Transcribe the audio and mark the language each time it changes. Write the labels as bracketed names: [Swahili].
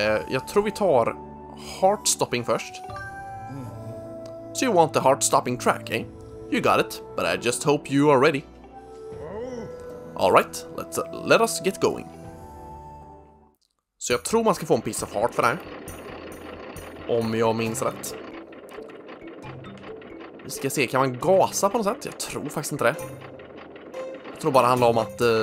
[Swedish] Jag tror vi tar heart-stopping först. [English] So you want the heart-stopping track, eh? You got it, but I just hope you are ready. All right, let us get going. [Swedish] Så jag tror man ska få en piece of heart för det här. Om jag minns rätt. Vi ska se, kan man gasa på något sätt? Jag tror faktiskt inte det. Jag tror bara det handlar om att...